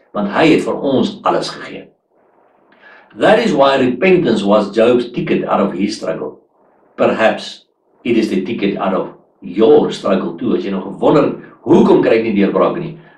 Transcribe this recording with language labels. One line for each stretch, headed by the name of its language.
Afrikaans: Want hy het vir ons alles gegee.
English: That is why repentance was Job's ticket out of his struggle. Perhaps it is the ticket out of your struggle too.
Afrikaans: As jy nog wonder, hoekom kry ek nie deurbraak nie?